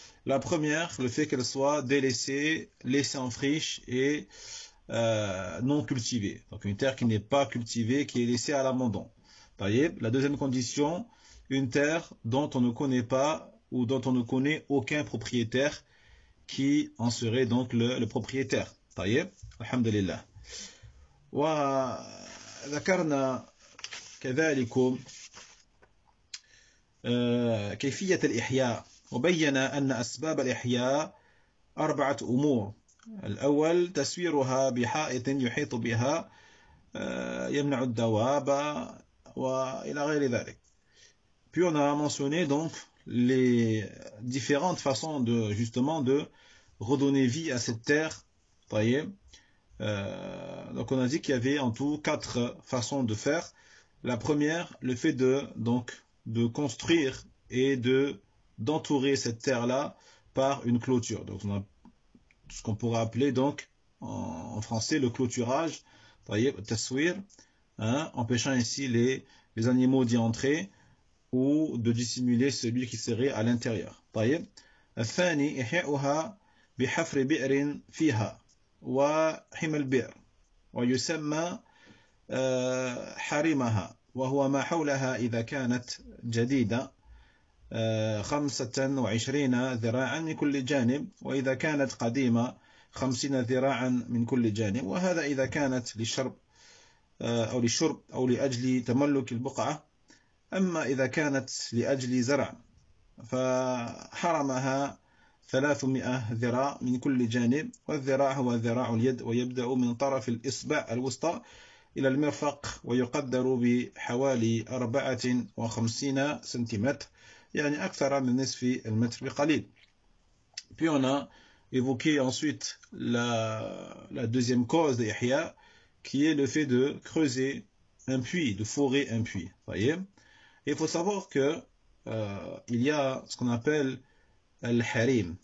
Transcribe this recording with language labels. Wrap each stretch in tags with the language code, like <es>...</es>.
<fr>La première, le fait qu'elle soit délaissée, laissée en friche et non cultivée. Donc une terre qui n'est pas cultivée, qui est laissée à l'abandon. La deuxième condition, une terre dont on ne connaît pas ou dont on ne connaît aucun propriétaire qui en serait donc le propriétaire.</fr> <ar>Alhamdulillah. Wa dhakarna kadhalikum كيفية الإحياء، وبين أن أسباب الإحياء أربعة أمور: الأول تسويرها بحائط يحيط بها يمنع الدواب وإلى غير ذلك.</ar> <fr>Puis on a mentionné donc les différentes façons de justement de redonner vie à cette terre. Donc on a dit qu'il y avait en tout quatre façons de faire. La première, le fait de construire et d'entourer cette terre-là par une clôture. Donc, on a ce qu'on pourrait appeler donc en français le clôturage, voyez, taswir, empêchant ainsi les animaux d'y entrer ou de dissimuler celui qui serait à l'intérieur. Voyez,</fr> <ar>الثاني إحياؤها بحفر بئر فيها وحمل بئر ويسمى حريمها وهو ما حولها إذا كانت جديدة 25 ذراعا من كل جانب، وإذا كانت قديمة 50 ذراعا من كل جانب، وهذا إذا كانت للشرب أو للشرب أو لأجل تملك البقعة أما إذا كانت لأجل زرع فحرمها 300 ذراع من كل جانب، والذراع هو ذراع اليد، ويبدأ من طرف الإصبع الوسطى إلى المرفق، ويقدر بحوالي 54 سنتيمتر، يعني أكثر من نصف المتر بقليل.</ar> <fr>Puis on a évoqué ensuite la deuxième cause de l'ihya, qui est le fait de creuser un puits, de forer un puits. Voyez. Il faut savoir que il y a ce qu'on appelle le harim.</fr>